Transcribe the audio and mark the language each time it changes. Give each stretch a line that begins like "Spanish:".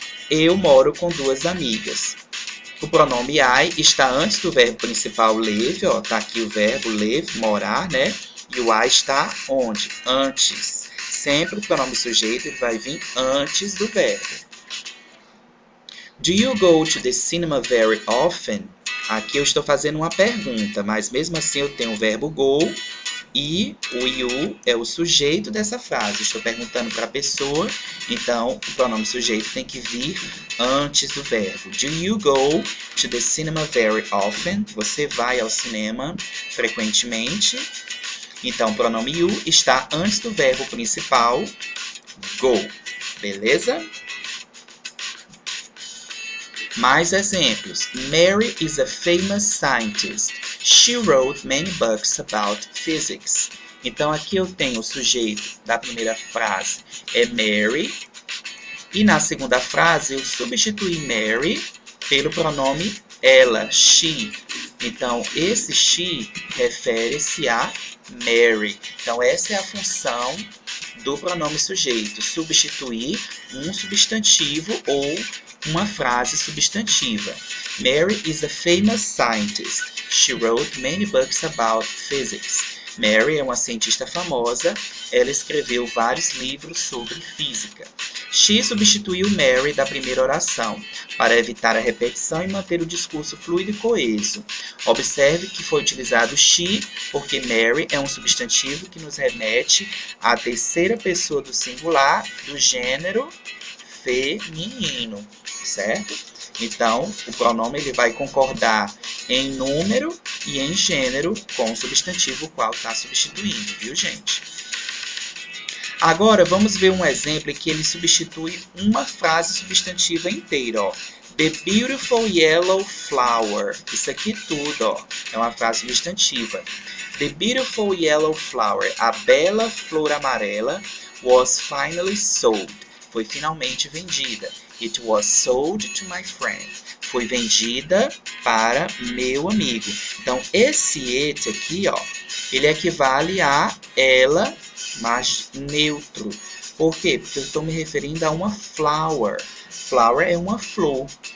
Portuguese: Eu moro com duas amigas. O pronome I está antes do verbo principal live, ó, tá aqui o verbo live, morar, né? E o I está onde? Antes. Sempre o pronome sujeito vai vir antes do verbo.
English: Do you go to the cinema very often?
Portuguese: Aqui eu estou fazendo uma pergunta, mas mesmo assim eu tenho o verbo go e o you é o sujeito dessa frase. Estou perguntando para a pessoa, então o pronome sujeito tem que vir antes do verbo.
English: Do you go to the cinema very often?
Portuguese: Você vai ao cinema frequentemente? Então o pronome you está antes do verbo principal, go. Beleza? Mais exemplos.
English: Mary is a famous scientist. She wrote many books about physics.
Portuguese: Então aqui eu tenho o sujeito da primeira frase é Mary. E na segunda frase eu substituí Mary pelo pronome ela, she. Então esse she refere-se a Mary. Então essa é a função do pronome sujeito, substituir um substantivo ou uma frase substantiva.
English: Mary is a famous scientist. She wrote many books about physics.
Portuguese: Mary é uma cientista famosa. Ela escreveu vários livros sobre física. She substituiu Mary da primeira oração para evitar a repetição e manter o discurso fluido e coeso. Observe que foi utilizado she porque Mary é um substantivo que nos remete à terceira pessoa do singular do gênero feminino, certo? Então, o pronome ele vai concordar em número e em gênero com o substantivo qual está substituindo, viu, gente? Agora, vamos ver um exemplo em que ele substitui uma frase substantiva inteira, ó.
English: The beautiful yellow flower.
Portuguese: Isso aqui tudo, ó, é uma frase substantiva.
English: The beautiful yellow flower.
Portuguese: A bela flor amarela
English: was finally sold.
Portuguese: Foi finalmente vendida.
English: It was sold to my friend.
Portuguese: Foi vendida para meu amigo. Então, esse it aqui, ó, ele equivale a ela mais neutro. Por quê? Porque eu estou me referindo a uma flower. Flower é uma flor.